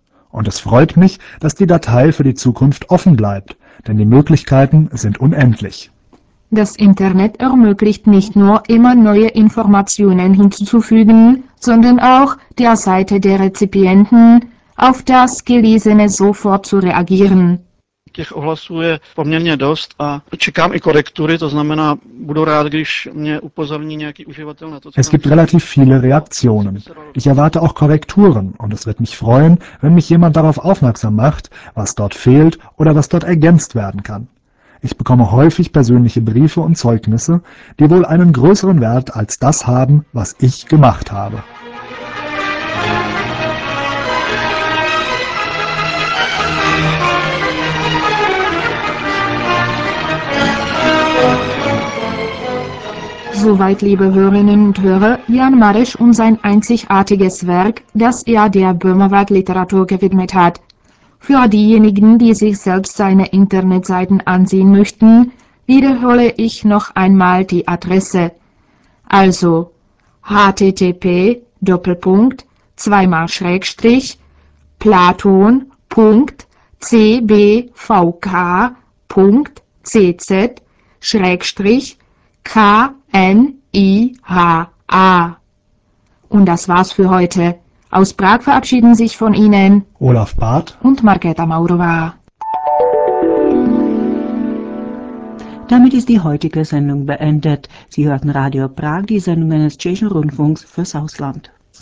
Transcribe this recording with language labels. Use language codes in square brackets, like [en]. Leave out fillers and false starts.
[de] Und es freut mich, dass die Datei für die Zukunft offen bleibt, denn die Möglichkeiten sind unendlich. Das Internet ermöglicht nicht nur, immer neue Informationen hinzuzufügen, sondern auch, der Seite der Rezipienten, auf das Gelesene sofort zu reagieren. [cs] Těch ohlasů je poměrně dost a čekám i korektury, to znamená, budu rád, když mě upozorní nějaký uživatel na to. [de] Es gibt relativ viele Reaktionen. Ich erwarte auch Korrekturen und es wird mich freuen, wenn mich jemand darauf aufmerksam macht, was dort fehlt oder was dort ergänzt werden kann. Ich bekomme häufig persönliche Briefe und Zeugnisse, die wohl einen größeren Wert als das haben, was ich gemacht habe. Soweit, liebe Hörerinnen und Hörer, Jan Marisch und sein einzigartiges Werk, das er der Böhmerwald-Literatur gewidmet hat. Für diejenigen, die sich selbst seine Internetseiten ansehen möchten, wiederhole ich noch einmal die Adresse. Also http://platon.cbvk.cz/kniha. Und das war's für heute. Aus Prag verabschieden sich von Ihnen Olaf Barth und Margareta Maurova. Damit ist die heutige Sendung beendet. Sie hörten Radio Prag, die Sendung eines tschechischen Rundfunks fürs Ausland.